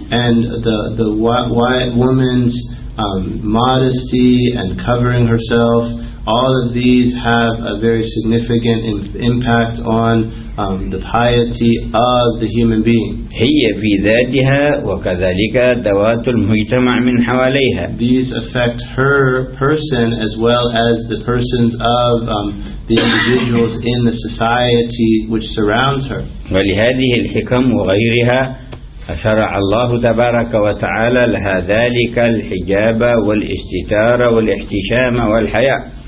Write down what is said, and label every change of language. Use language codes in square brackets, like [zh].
[en] And the white woman's modesty and covering herself, all of these have a very significant impact on the piety of the human being. [ar] هي في ذاتها وكذلك ذوات المجتمع من حواليها. [en] These affect her person as well as the persons of the individuals in the society which surrounds her. [ar] ولهذه الحكم وغيرها شرع الله تبارك وتعالى لها ذلك الحجاب والاستتار والاحتشام والحياء.